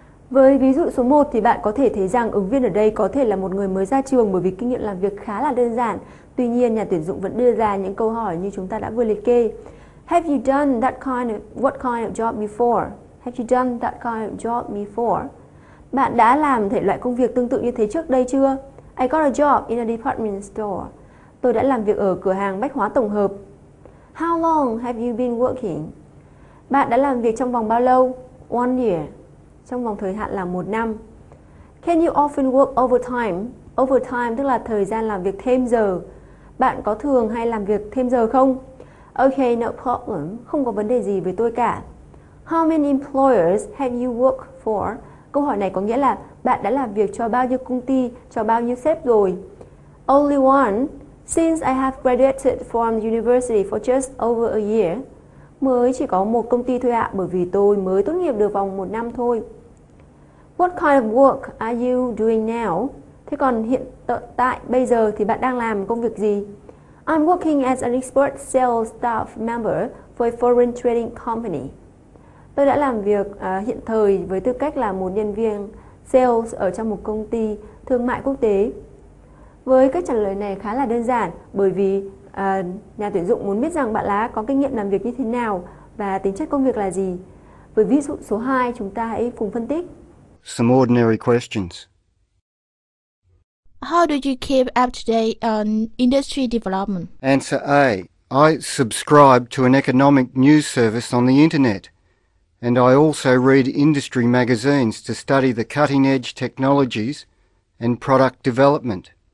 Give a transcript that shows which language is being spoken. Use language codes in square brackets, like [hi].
[vi] Với ví dụ số 1 thì bạn có thể thấy rằng ứng viên ở đây có thể là một người mới ra trường bởi vì kinh nghiệm làm việc khá là đơn giản. Tuy nhiên, nhà tuyển dụng vẫn đưa ra những câu hỏi như chúng ta đã vừa liệt kê. [en] Have you done that kind of, what kind of job before? Have you done that kind of job before? [vi] Bạn đã làm thể loại công việc tương tự như thế trước đây chưa? [en] I got a job in a department store. [vi] Tôi đã làm việc ở cửa hàng bách hóa tổng hợp. [en] How long have you been working? [vi] Bạn đã làm việc trong vòng bao lâu? [en] 1 year. [vi] Trong vòng thời hạn là 1 năm. [en] Can you often work overtime? [vi] Overtime tức là thời gian làm việc thêm giờ. Bạn có thường hay làm việc thêm giờ không? [en] Okay, no problem. [vi] Không có vấn đề gì với tôi cả. [en] How many employers have you worked for? [vi] Câu hỏi này có nghĩa là bạn đã làm việc cho bao nhiêu công ty, cho bao nhiêu sếp rồi? [en] Only one, since I have graduated from university for just over a year. [vi] Mới chỉ có một công ty thôi ạ, bởi vì tôi mới tốt nghiệp được vòng 1 năm thôi. [en] What kind of work are you doing now? [vi] Thế còn hiện tại bây giờ thì bạn đang làm công việc gì? [en] I'm working as an export sales staff member for a foreign trading company. [vi] Tôi đã làm việc hiện thời với tư cách là một nhân viên sales ở trong một công ty thương mại quốc tế. Với cách trả lời này khá là đơn giản, bởi vì nhà tuyển dụng muốn biết rằng bạn đã có kinh nghiệm làm việc như thế nào và tính chất công việc là gì. Với ví dụ số 2, chúng ta hãy cùng phân tích. [en] Some ordinary questions. How do you keep up to date on industry development? Answer A. I subscribe to an economic news service on the internet. And I also read industry magazines to study the cutting-edge technologies and product development.